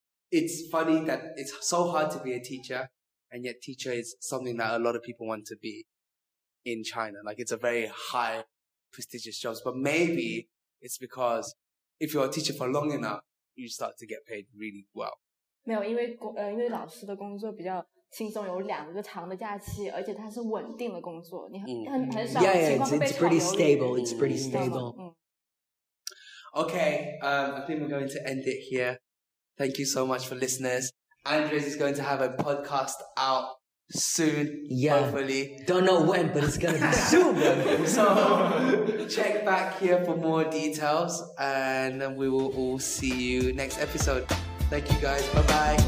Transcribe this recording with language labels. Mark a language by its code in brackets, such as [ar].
[en] It's funny that it's so hard to be a teacher, and yet teacher is something that a lot of people want to be in China. Like, it's a very high, prestigious job. But maybe it's because if you're a teacher for long enough, you start to get paid really well. [zh] 没有，因为老师的工作比较轻松，有两个长的假期，而且它是稳定的工作，你很少情况被炒鱿鱼。 [en] Yeah, it's pretty stable. It's pretty stable. Okay, I think we're going to end it here. Thank you so much for listeners. Andres is going to have a podcast out soon, yeah. Hopefully. Don't know when, but it's going to be soon. So check back here for more details, and then we will all see you next episode. Thank you guys. Bye-bye.